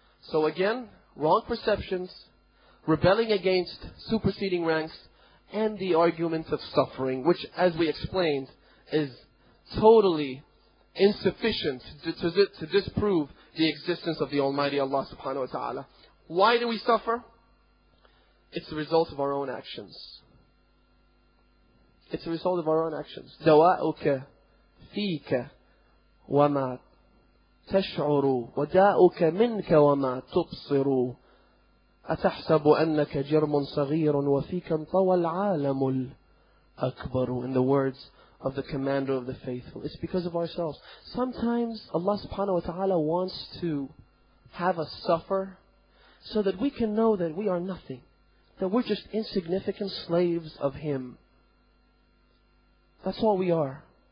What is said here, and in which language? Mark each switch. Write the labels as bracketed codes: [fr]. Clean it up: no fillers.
[en] So again, wrong perceptions, rebelling against superseding ranks, and the arguments of suffering, which, as we explained, is totally insufficient to disprove the existence of the Almighty Allah subhanahu wa ta'ala. Why do we suffer? It's the result of our own actions. It's a result of our own actions. [ar] دواءك فيك وما تشعر وداءك منك وما تبصر أتحسب أنك جرم صغير وفيك انطوى العالم الأكبر. [en] In the words of the commander of the faithful. It's because of ourselves. Sometimes Allah subhanahu wa ta'ala wants to have us suffer so that we can know that we are nothing. That we're just insignificant slaves of Him. That's all we are.